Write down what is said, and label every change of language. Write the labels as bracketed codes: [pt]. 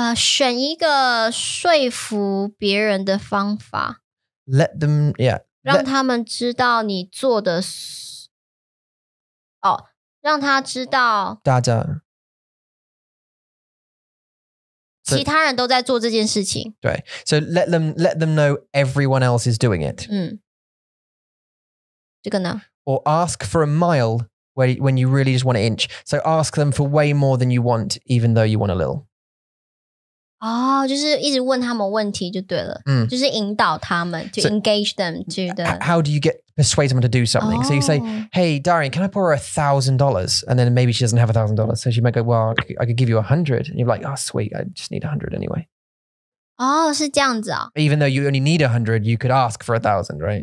[zh] 选一个说服别人的方法. [en] Let them, yeah. [zh] 让他们知道你做的... 让他知道... 大家... 其他人都在做这件事情. 对, [en] so let them know everyone else is doing it. [zh] 这个呢? [en] Or ask for a mile when you really just want an inch. So ask them for way more than you want, even though you want a little. [zh] Oh, 就是一直问他们问题就对了。 Mm. 就是引导他们, [en] to so, engage them to the... How do you get persuade someone to do something? Oh. So you say, hey, Darian, can I borrow $1,000? And then maybe she doesn't have $1,000. So she might go, well, I could give you 100. And you're like, oh, sweet, I just need 100 anyway. [zh] Oh, 是这样子哦? [en] Even though you only need 100, you could ask for 1,000, right?